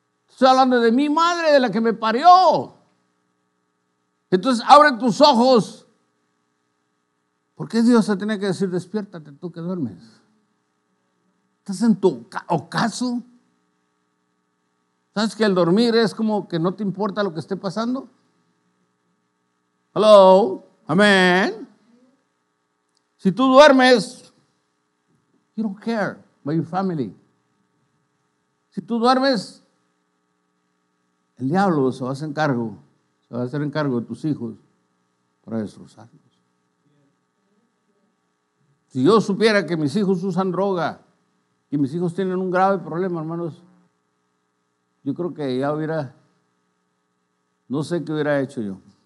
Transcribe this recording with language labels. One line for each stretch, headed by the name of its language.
Spanish: Estoy hablando de mi madre, de la que me parió. Entonces, abre tus ojos. ¿Por qué Dios te tiene que decir, despiértate tú que duermes? ¿Estás en tu ocaso? ¿Sabes que el dormir es como que no te importa lo que esté pasando? ¿Hello? ¿Amén? Si tú duermes,
English: you don't care about your family.
Spanish: Si tú duermes, el diablo se va a hacer encargo, se va a hacer encargo de tus hijos para destrozarlos. Si yo supiera que mis hijos usan droga, que mis hijos tienen un grave problema, hermanos, yo creo que ya hubiera, no sé qué hubiera hecho yo.